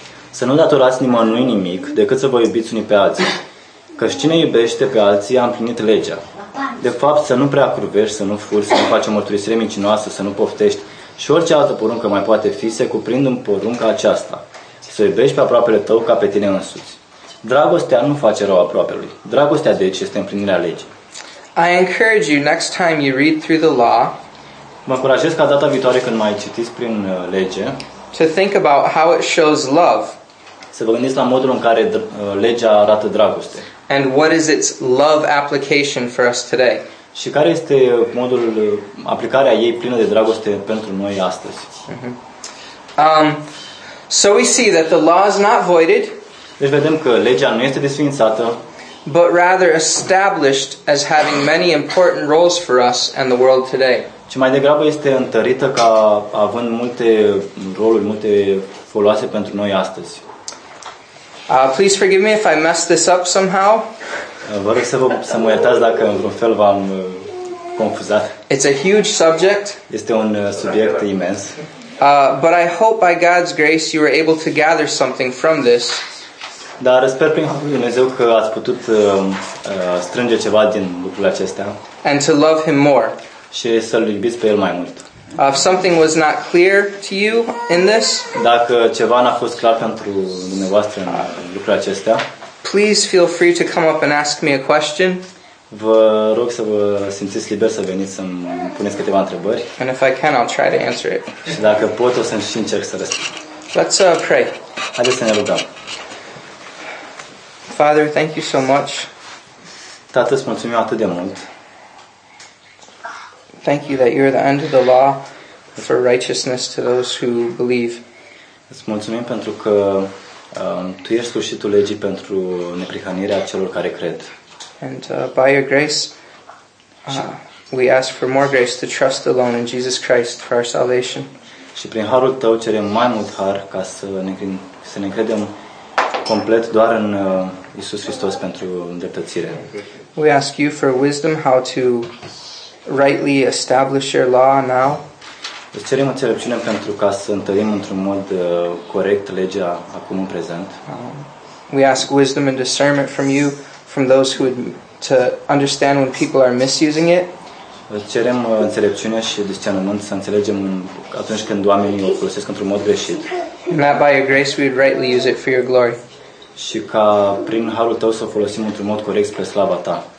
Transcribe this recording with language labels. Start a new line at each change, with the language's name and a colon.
Romanian: Să nu datorați nimănui nimic decât să vă iubiți unii pe alții. Căci cine iubește pe alții a împlinit legea. De fapt, să nu prea curvești, să nu furi, să nu faci o mărturisire mincinoasă, să nu poftești și orice altă poruncă mai poate fi, se cuprind în porunca aceasta. Să iubești pe aproapele tău ca pe tine însuți. Dragostea nu face rău aproapelui. Dragostea, deci, este împlinirea legii.
English: I encourage you, next time you read through the law,
Romanian: mă încurajez ca data viitoare când mai citiți prin lege,
English: to think about how it shows love.
Romanian: Să vă gândiți la modul în care legea arată dragoste.
English: And what is its love application for us today?
Romanian: Și care este modul aplicarea ei plină de dragoste pentru noi astăzi? Mm-hmm.
English: So we see that the law is not voided.
Romanian: Deci vedem că legea nu este desființată,
English: but rather established as having many important roles for us and the world today.
Romanian: Ci mai degrabă este întărită ca având multe roluri, multe foloase pentru noi astăzi.
English: Please forgive me if I messed this up somehow.
Romanian: Vă rog să mă iertați dacă în vreun fel v-am confuzat.
English: It's a huge subject.
Romanian: Este un subiect imens.
English: But I hope by God's grace you were able to gather something from this.
Romanian: Dar sper prin harul lui Dumnezeu că ați putut strânge ceva din lucrurile acestea.
English: And to love him more.
Romanian: Și să-l iubiți pe el mai mult.
English: If something was not clear to you in this,
Romanian: dacă ceva n-a fost clar pentru dumneavoastră în lucrurile acestea,
English: please feel free to come up and ask me a question.
Romanian: Vă rog să vă simțiți liber să veniți să-mi puneți câteva întrebări.
English: And if I can, I'll try to answer it.
Romanian: Și dacă pot, o să-mi și încerc să răspund.
English: Let's pray.
Romanian: Haideți să ne rugăm.
English: Father, thank you so much.
Romanian: Tată, îți mulțumim atât de mult.
English: Thank you that you're the end of the law for righteousness to those who believe.
Romanian: Îți mulțumim pentru că tu ești sfârșitul legii pentru neprihănirea celor care cred.
English: And by your grace, we ask for more grace to trust alone in Jesus Christ for our salvation.
Romanian: Și prin harul tău cerem mai mult har ca să ne credem complet doar în Iisus Hristos pentru îndreptățire.
English: We ask you for wisdom how to rightly establish your law now.
Romanian: Îți cerem înțelepciune pentru ca să întărim într-un mod corect legea acum în prezent.
English: We ask wisdom and discernment from you, from those who would to understand when people are misusing it.
Romanian: Îți cerem înțelepciune și discernământ să înțelegem atunci când oamenii o folosesc într-un mod greșit.
English: And that by your grace we would rightly use it for your glory.
Romanian: Și ca prin harul tău să o folosim într-un mod corect spre slava ta.